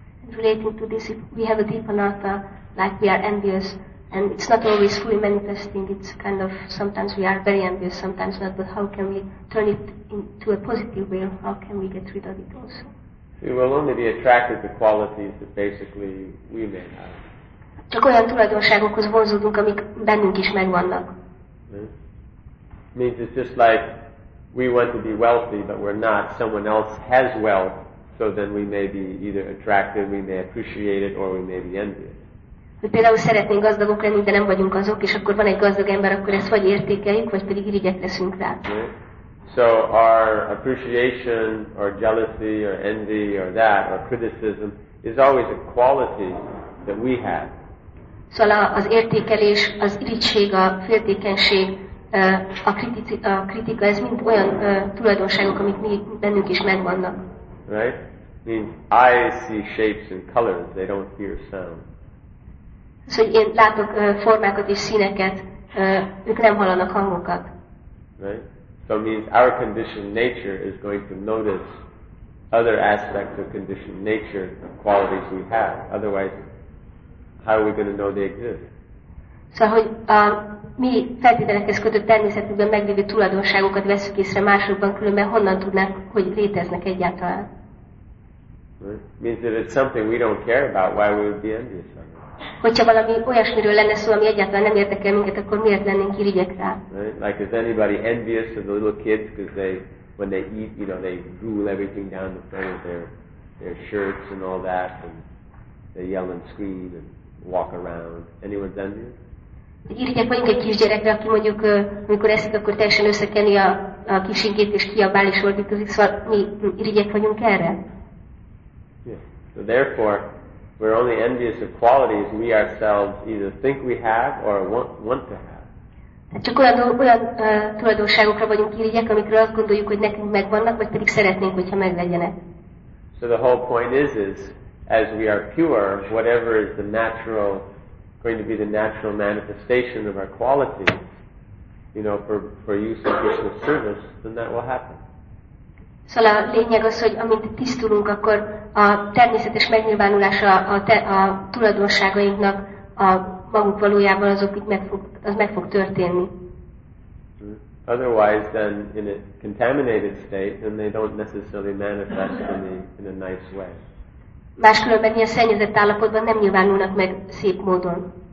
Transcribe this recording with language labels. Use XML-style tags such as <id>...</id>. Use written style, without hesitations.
<en>Relating to this, if we have a deep anatta, like we are envious, and it's not always fully manifesting, it's kind of, sometimes we are very envious, sometimes not, but how can we turn it into a positive way, how can we get rid of it also? We will only be attracted to qualities that basically we may have.</en> <hu>Csak olyan tulajdonságokhoz vonzódunk, amik bennünk is megvannak.</hu> <en>It means it's just like we want to be wealthy, but we're not, someone else has wealth. So then we may be either attracted, we may appreciate it, or we may be envious.</en> <hu>De például szeretnénk gazdagok lenni, de nem vagyunk azok, és akkor van egy gazdag ember, akkor ezt vagy értékeljük, vagy pedig irigyek leszünk rá.</hu> <en>So our appreciation, or jealousy, or envy, or that, or criticism, is always a quality that we have.</en> <hu>Szóval az értékelés, az irigység, a féltékenység, a kritika, ez mind olyan tulajdonságok, amik mi bennünk is megvannak.</hu> <en>Right? I mean, eyes see shapes and colors, they don't hear sound.</en> <hu>So én látok formákat és színeket, ők nem hallanak hangokat.</hu> <en>Right? So it means our conditioned nature is going to notice other aspects of conditioned nature, qualities we have. Otherwise, how are we going to know they exist?</en> <hu>Szóval, hogy a mi feltételekhez kötött természetünkben meglévő tulajdonságokat veszük észre másokban, különben honnan tudnánk, hogy léteznek egyáltalán.</hu> <en>Means that it's something we don't care about, why we would be envious of it.</en> <hu>Hogyha valami olyasmiről lenne szó, ami egyáltalán nem érdekel minket, akkor miért lennénk irigyek rá?</hu> <en>Like, is anybody envious of the little kids because they, when they eat, you know, they drool everything down the front of their shirts and all that, and they yell and scream and walk around. Anyone's envious?</en> <hu>Irigyek vagyunk egy kisgyerekre, aki mondjuk, amikor eszik, akkor teljesen összekeni a kisinkét, és kiabál is ordítozik, szóval mi irigyek vagyunk erre?</hu> <en>Yeah. So therefore, we're only envious of qualities we ourselves either think we have or want to have.</en> <hu>Csak olyan tulajdonságokra vagyunk irigyek, amikről azt gondoljuk, hogy nekünk megvannak, vagy pedig szeretnénk, hogyha meglegyenek.</hu> <en>So the whole point is as we are pure, whatever is the natural, going to be the natural manifestation of our qualities, you know, for use of Krishna's service, then that will happen.</en> <hu>Szóval a lényeg az, hogy amint tisztulunk, akkor a természetes megnyilvánulása a tulajdonságainknak a maguk valójában azok itt meg fog történni.</hu> <en>Otherwise, then in a contaminated state, then they don't necessarily manifest in a nice way.</en> <hu>Máskülönben ilyen szennyezett állapotban nem nyilvánulnak meg szép módon.</hu>